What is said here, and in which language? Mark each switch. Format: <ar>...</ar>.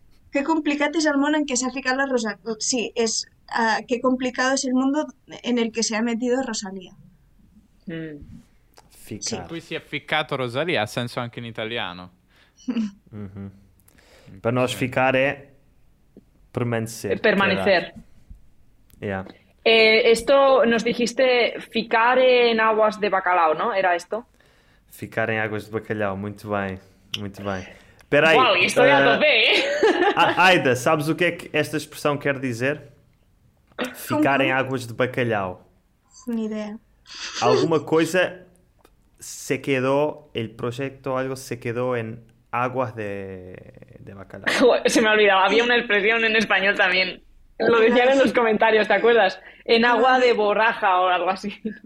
<es>Qué complicado es el mundo en que se ha ficado la Rosalía. Sí, es qué complicado es el mundo en el que se ha metido Rosalía. Ficar.</es> <it>Sí. Qui si è ficcato Rosalía, ha senso anche in italiano. Per non ficare è permanecer.</it> <es>Permanecer.</es> <en>Yeah.</en> <es>Esto nos dijiste ficare en aguas de bacalao, ¿no? Era esto. Ficar en aguas de bacalao, muy bien.</es> <pt>Muito bem. Espera aí. Uau, isto já está bem. Aida, sabes o que é que esta expressão quer dizer? Ficar em águas de bacalhau. Sem ideia. Alguma coisa se quedou,</pt> <es>el proyecto,</es> <pt>algo se quedou en aguas de bacalhau.</pt> <es>Se me ha olvidado, había una expresión en español también. Lo decían en los comentarios, ¿te acuerdas? En agua de borraja o algo así.</es>